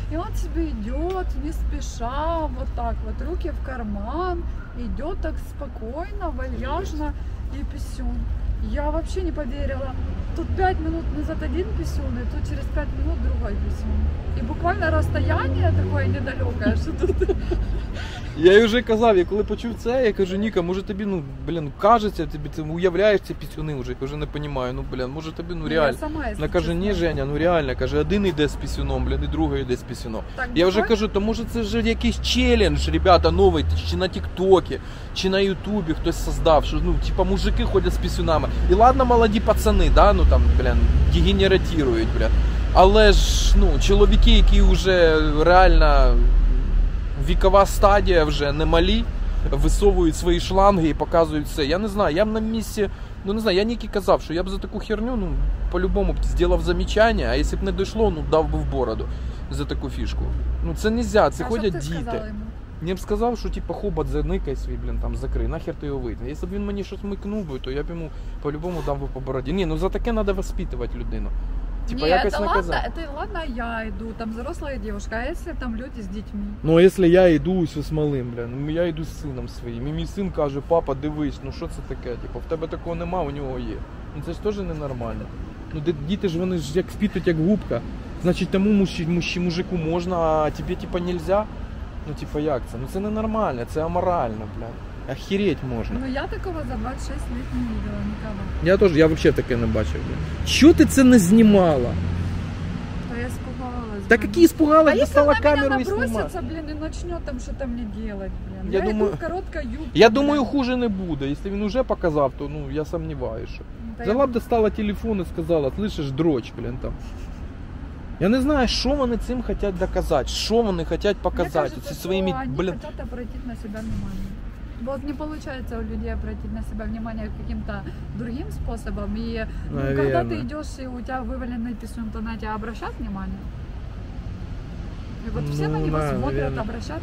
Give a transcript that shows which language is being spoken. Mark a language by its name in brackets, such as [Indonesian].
[Russian] И он себе идет, не спеша, вот так вот, руки в карман, идет так спокойно, вальяжно, и писюн. Я вообще не поверила. Тут 5 минут назад один писюн, и тут через 5 минут другой писюн. И буквально расстояние такое недалекое, что тут... [Ukrainian] Я ей уже казав, я коли почув це, я кажу, Ніка, може тобі, ну, блін, кажеться, тобі, ти уявляєш ці пісюни вже, я вже не розумію, ну, блін, може тобі, ну, реально. Я сама, якщо чесно. Вона каже, ні, Женя, ну, реально, каже, один йде з пісюном, блін, і другий йде з пісюном. Так, я вже кажу, то може це вже якийсь челлендж, ребята, новий, чи на тіктокі, чи на ютубі хтось создав, що, ну, типа, мужики ходять з пісюнами. І ладно, молоді пацани, да, ну, там, блін, дегенератірують, блін. Але ж, ну, чоловіки, які вже реально... Вікова стадія вже немалі, висовують свої шланги і показують все. Я не знаю, я б на місці ну не знаю, я Нике казав, що я б за таку херню, ну, по-любому б зробив замечання, а якщо б не дійшло, ну дав би в бороду за таку фішку. Ну це не можна, це ходять діти. Мені б сказав, що типу хобот заникай свій, блін, там закрий, нахер ти його видно. Якщо б він мені щось микнув би, то я б йому по-любому дав би по бороді. Ні, ну за таке треба виховувати людину. Типа, [Russian] ладно, я иду, там взрослая девушка, а если там люди с детьми? Ну, если я иду все с малым, блин, я иду с сыном своим, и мой сын [Ukrainian] каже, папа, дивись, [Russian] ну что это такое, типа, [Ukrainian] в тебе такого нема, [Russian] у него есть. Ну, это же тоже ненормально. Ну, дети же, они же впитывают, как губка. Значит, тому мужику можно, а тебе, типа, нельзя? Ну, типа, как это? Ну, это ненормально, это аморально, блин. Охереть можно. Ну я такого за 26 лет не видела никого. Я тоже, [Ukrainian] я вообще таке не бачив. Чё ты це не знімала? [Russian] Та я испугалась. Так какие испугалась? Достала камеру и снимала. А если она меня набросится, блин, и начнет там что-то мне делать, блин. Я думаю, иду в короткой юбке. Я думаю, хуже не будет. Если он уже показал, то ну я сомневаюсь, что. Взяла б, достала телефон и сказала, слышишь, дрочь, блин, там. [Ukrainian] Я не знаю, що вони цим хочуть доказати, що вони хочуть показати. [Russian] Мне кажется, что они хотят обратить на себя внимание. Вот не получается у людей обратить на себя внимание каким-то другим способом. И когда ты идешь, и у тебя вываленный писюн, то на тебя обращают внимание. И вот все на него смотрят, обращают